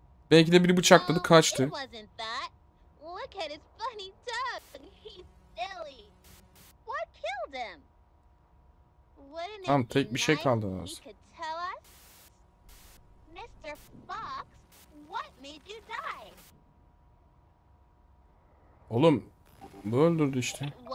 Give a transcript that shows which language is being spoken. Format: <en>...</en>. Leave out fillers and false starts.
<tr>Belki de biri bıçakladı, kaçtı.</tr> <en>Look at his funny tongue. He's silly. What killed him?</en> <tr>Tamam, tek bir şey kaldı az.</tr> <en>Mr. Fox, what made you die?</en> <tr>Oğlum, bu öldürdü işte.</tr>